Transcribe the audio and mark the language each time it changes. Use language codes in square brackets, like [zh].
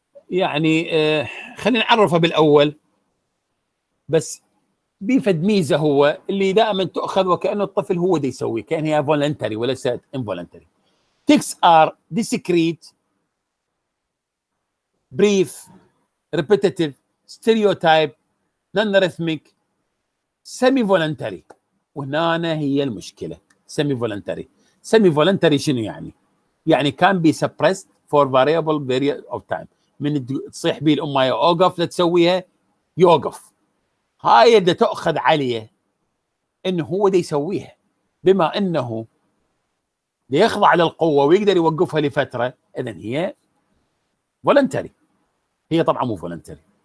[ar] يعني خلينا نعرفه بالأول بس بيفد ميزة هو اللي دائما تأخذ وكأنه الطفل هو دي يسوي كأنه هي voluntary وليس involuntary. [en] Ticks are discrete, brief, repetitive, stereotype, non-rhythmic, semi-voluntary. [ar] وهنا هي المشكلة semi-voluntary. [en] Semi-voluntary [ar] شنو يعني؟ يعني [en] can be suppressed for variable period of time. [ar] من تصيح بيه الأمة يوقف لا تسويها يوقف. هاي اللي تأخذ عليه إنه هو دي يسويها بما إنه ليخضع للقوة ويقدر يوقفها لفترة إذن هي فولنتري. هي طبعا مو فولنتري.